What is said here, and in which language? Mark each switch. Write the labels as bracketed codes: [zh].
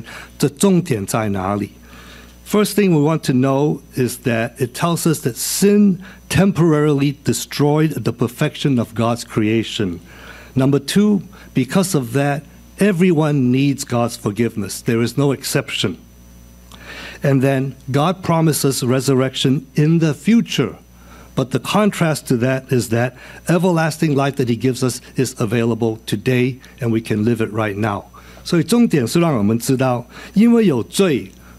[zh] 我要用这几句话来做一个总结，我希望可以清楚让我们看见最后这几句话在使徒信经里面的重点在哪里。 [en] First thing we want to know is that it tells us that sin temporarily destroyed the perfection of God's creation. Number two, because of that, everyone needs God's forgiveness. There is no exception. And then God promises resurrection in the future. But the contrast to that is that everlasting life that He gives us is available today and we can live it right now. [zh] 所以重点是让我们知道，因为有罪。